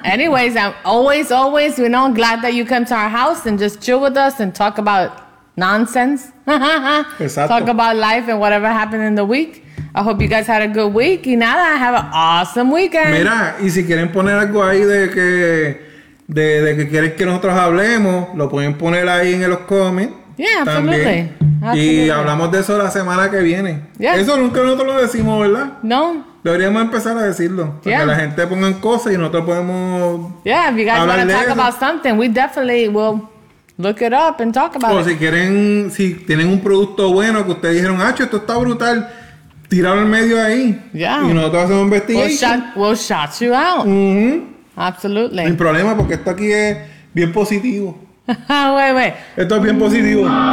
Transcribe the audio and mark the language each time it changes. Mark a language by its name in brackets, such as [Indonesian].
[English] Anyways, I'm always, you know, glad that you come to our house and just chill with us and talk about nonsense. [Spanish] Exacto. [English] Talk about life and whatever happened in the week. I hope you guys had a good week. [Spanish] Y nada, [English] have an awesome weekend. [Spanish] Mira, y si quieren poner algo ahí de que quieren que nosotros hablemos, lo pueden poner ahí en los comments. [English] Yeah, también. Absolutely. [Spanish] Y hablamos de eso la semana que viene. Yeah. Eso nunca nosotros lo decimos, ¿verdad? No. Deberíamos empezar a decirlo. Para yeah. que la gente ponga cosas y nosotros podemos. [English] Yeah, if you guys want to talk about something, we definitely will look it up and talk about [Spanish] o [English] it. [Spanish] O si quieren, si tienen un producto bueno que ustedes dijeron, ah, esto está brutal, tirarlo al medio ahí. [English] Yeah. [Spanish] Y nosotros hacemos un investigation. [English] We'll shout you out. Mm-hmm. Absolutely. [Spanish] Sin problema, porque esto aquí es bien positivo. [English] Wait. [Spanish] Esto es bien positivo.